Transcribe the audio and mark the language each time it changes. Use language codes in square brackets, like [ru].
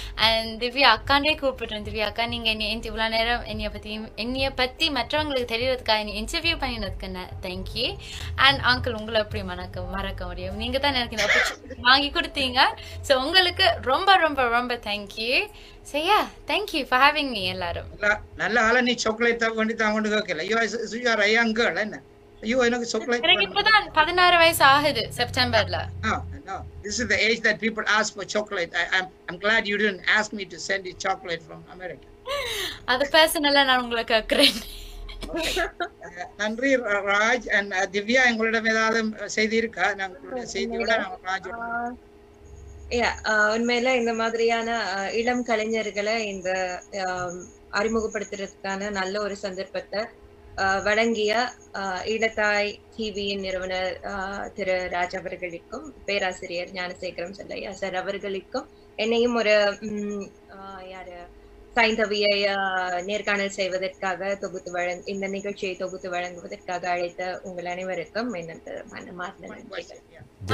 [ta] And Divya Akane கூப்பிடுறேன். திவ்யா அக்கா, நீங்க என்னைய இவ்வளவு நேரம் என்னைய பத்தி மற்றவங்களுக்கு தெரியறதுக்காக என்னை இன்டர்வியூ பண்ணினதுக்கு தேங்க்யூ. அண்ட் அங்கிள், உங்களை எப்படி மறக்க மறக்க முடியும்? நீங்க தான் எனக்கு இந்த ஆப்பர்ச்சுனிட்டி வாங்கி கொடுத்தீங்க. ஸோ உங்களுக்கு ரொம்ப ரொம்ப ரொம்ப thank you. [en] So yeah, thank you for having me. [ta] எல்லாரும் நல்ல ஆள. நீ சாக்லேட் வாங்கி தாங்கிட்டு கேக்கல. [en] you are a young girl [ta] என்ன? ஐயோ, எனக்கு சாக்லேட் எனக்கு இப்பதான் 16 வயசு ஆகுது செப்டம்பர்ல. [en] This is the age that people ask for chocolate. I'm glad you didn't ask me to send you chocolate from America. [ta] அது பர்சனலா நான் உங்களுக்கு கேக்குறேன். நன்றி ராஜ். அண்ட் திவ்யா, எங்களிடம் ஏதாவது செய்தி இருக்கா? நாங்கள் செய்தியோட நாங்கள் ராஜ் உண்மையில இந்த மாதிரியான இளம் கலைஞர்களை இந்த அறிமுகப்படுத்துறதுக்கான நல்ல ஒரு சந்தர்ப்பத்தை வழங்கிய இளத்தாய் டிவியின் நிறுவனர் திரு ராஜ் அவர்களுக்கும், பேராசிரியர் ஞானசேகரம் செல்லையா சார் அவர்களுக்கும், என்னையும் ஒரு யாரு சாய்ந்தவியை நேர்காணல் செய்வதற்காக தொகுத்து இந்த நிகழ்ச்சியை தொகுத்து வழங்குவதற்காக அழைத்த உங்கள் அனைவருக்கும் மனமார்ந்த